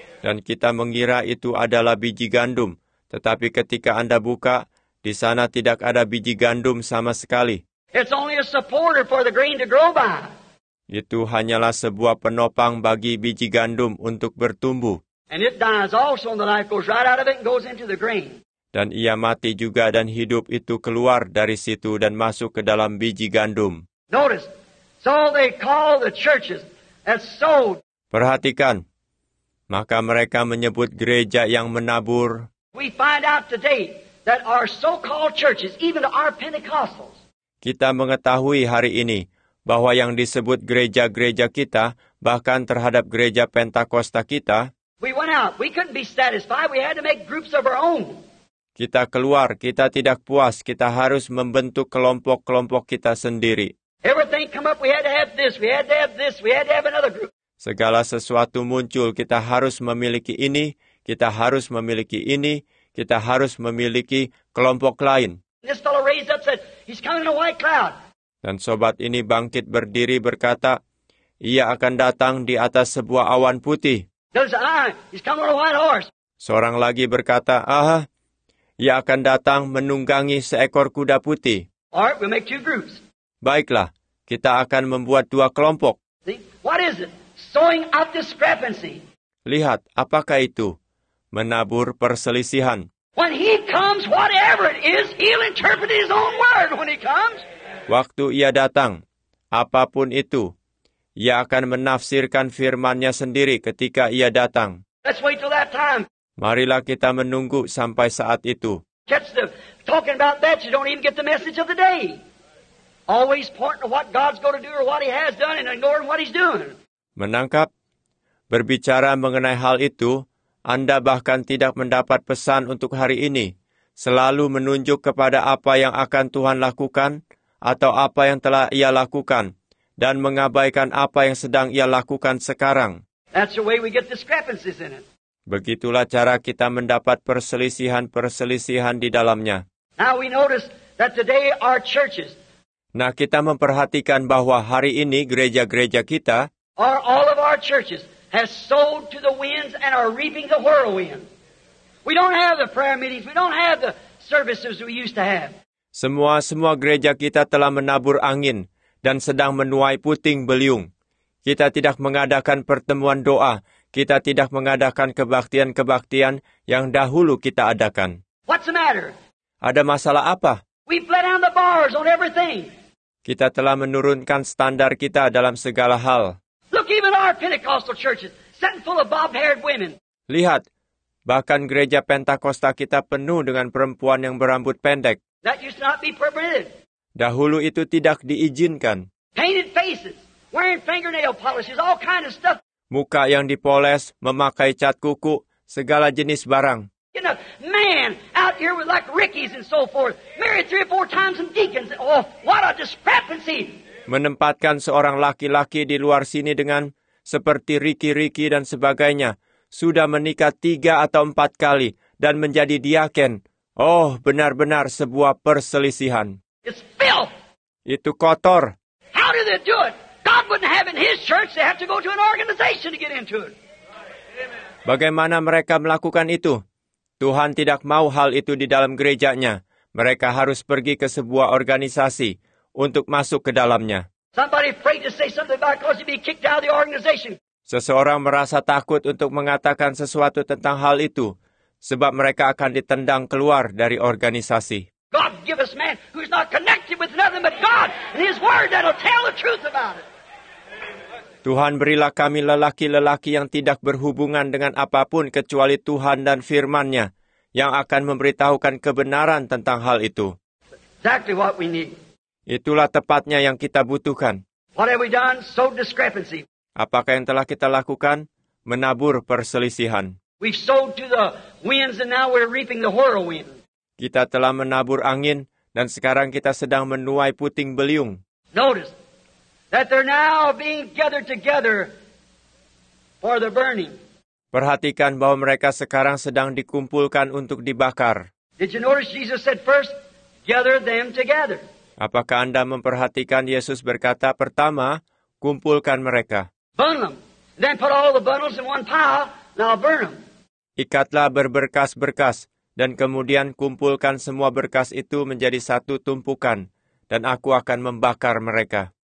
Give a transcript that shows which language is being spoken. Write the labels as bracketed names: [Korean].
[Indonesian] Dan kita mengira itu adalah biji gandum, tetapi ketika Anda buka, di sana tidak ada biji gandum sama sekali. [English] It's only a supporter for the grain to grow by. [Indonesian] Itu hanyalah sebuah penopang bagi biji gandum untuk bertumbuh. [English] And it dies also, and the life goes right out of it and goes into the grain. [Indonesian] Dan ia mati juga dan hidup itu keluar dari situ dan masuk ke dalam biji gandum. [English] Notice, so they call the churches as sowed. [Indonesian] Perhatikan, maka mereka menyebut gereja yang menabur. [English] We find out today that our so-called churches, even our Pentecostals. [Indonesian] Kita mengetahui hari ini bahwa yang disebut gereja-gereja kita, bahkan terhadap gereja Pentakosta kita. [English] We went out. We couldn't be satisfied. We had to make groups of our own. [Indonesian] Kita keluar, kita tidak puas, kita harus membentuk kelompok-kelompok kita sendiri. [English] Everything come up, we had to have this, we had to have this, we had to have another group. [Indonesian] Segala sesuatu muncul, kita harus memiliki ini, kita harus memiliki ini, kita harus memiliki kelompok lain. [English] This fellow raised up said, he's coming in a white cloud. [Indonesian] Dan sobat ini bangkit berdiri berkata, ia akan datang di atas sebuah awan putih. [English] He's coming on a white horse. [Indonesian] Seorang lagi berkata, aha. Ia akan datang menunggangi seekor kuda putih. [English] All right, we'll make two groups. [Indonesian] Baiklah, kita akan membuat dua kelompok. [English] See, what is it? Sowing out discrepancy. [Indonesian] Lihat, apakah itu? Menabur perselisihan. [English] When he comes, whatever it is, he'll interpret his own word when he comes. [Indonesian] Waktu ia datang, apapun itu, ia akan menafsirkan firman-Nya sendiri ketika ia datang. [English] Let's wait till that time. [Indonesian] Marilah kita menunggu sampai saat itu. [English] Catch them talking about that, you don't even get the message of the day. Always pointing to what God's going to do or what He has done and ignoring what He's doing. [Indonesian] Menangkap, berbicara mengenai hal itu, Anda bahkan tidak mendapat pesan untuk hari ini. Selalu menunjuk kepada apa yang akan Tuhan lakukan atau apa yang telah Ia lakukan dan mengabaikan apa yang sedang Ia lakukan sekarang. [English] That's the way we get discrepancies in it. [Indonesian] Begitulah cara kita mendapat perselisihan-perselisihan di dalamnya. [English] Now we notice that today our churches. [Indonesian] Nah, kita memperhatikan bahwa hari ini gereja-gereja kita. [English] Are all of our churches has sold to the winds and are reaping the whirlwind. We don't have the prayer meetings. We don't have the services we used to have. [Indonesian] Semua gereja kita telah menabur angin dan sedang menuai puting beliung. Kita tidak mengadakan pertemuan doa. Kita tidak mengadakan kebaktian-kebaktian yang dahulu kita adakan. [English] What's the matter? [Indonesian] Ada masalah apa? [English] We've let down the bars on everything. [Indonesian] Kita telah menurunkan standar kita dalam segala hal. [English] Look, even our Pentecostal churches, sitting full of bob-haired women. [Indonesian] Lihat, bahkan gereja Pentakosta kita penuh dengan perempuan yang berambut pendek. [English] That used to not be permitted. [Indonesian] Dahulu itu tidak diizinkan. [English] Painted faces, wearing fingernail polishes, all kind of stuff. [Indonesian] Muka yang dipoles, memakai cat kuku, segala jenis barang. [English] You know, man, out here with like Ricky's and so forth, married three or four times and deacons. Oh, what a discrepancy! [Indonesian] Menempatkan seorang laki-laki di luar sini dengan seperti Ricky dan sebagainya, sudah menikah 3 atau 4 kali dan menjadi diaken. Oh, benar-benar sebuah perselisihan. [English] It's filth. [Indonesian] Itu kotor. [English] How do they do it? God wouldn't have in his church, they have to go to an organization to get into it. [Indonesian] Bagaimana mereka melakukan itu? Tuhan tidak mau hal itu di dalam gerejanya. Mereka harus pergi ke sebuah organisasi untuk masuk ke dalamnya. [English] Somebody afraid to say something about it because he'd be kicked out of the organization. [Indonesian] Seseorang merasa takut untuk mengatakan sesuatu tentang hal itu, sebab mereka akan ditendang keluar dari organisasi. [English] God give us man who's not connected with nothing but God and His Word that'll tell the truth about it. [Indonesian] Tuhan berilah kami lelaki-lelaki yang tidak berhubungan dengan apapun kecuali Tuhan dan Firman-Nya yang akan memberitahukan kebenaran tentang hal itu. [English] Exactly what we need. [Indonesian] Itulah tepatnya yang kita butuhkan. [English] What have we done? Sowed discrepancy. [Indonesian] Apakah yang telah kita lakukan? Menabur perselisihan. [English] We've sowed to the winds and now we're reaping the whirlwind. [Indonesian] Kita telah menabur angin dan sekarang kita sedang menuai puting beliung. [English] Notice that they're now being gathered together for the burning. [Indonesian] Perhatikan bahwa mereka sekarang sedang dikumpulkan untuk dibakar. [English] Did you notice Jesus said first, gather them together? [Indonesian] Apakah Anda memperhatikan Yesus berkata pertama, kumpulkan mereka. [English] Burn them. Then put all the bundles in one pile, now burn them. [Indonesian] Ikatlah berberkas-berkas, dan kemudian kumpulkan semua berkas itu menjadi satu tumpukan, dan aku akan membakar mereka.